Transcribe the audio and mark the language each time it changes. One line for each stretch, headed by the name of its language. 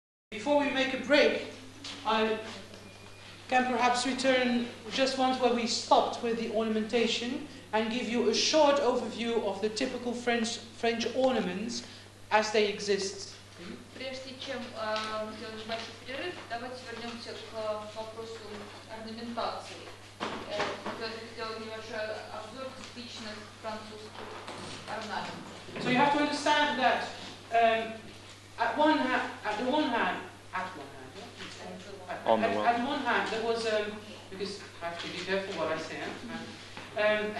English: Before we make a break, I can perhaps return just once where we stopped with the ornamentation and give you a short overview of the typical French ornaments as they exist.
Russian: Прежде чем мы делаем небольшой перерыв, давайте вернемся к вопросу орнаментации. Хотелось бы сделать небольшой обзор типичных французских орнаментов.
English: So you have to understand that at one hand there was because I have to be careful what I say.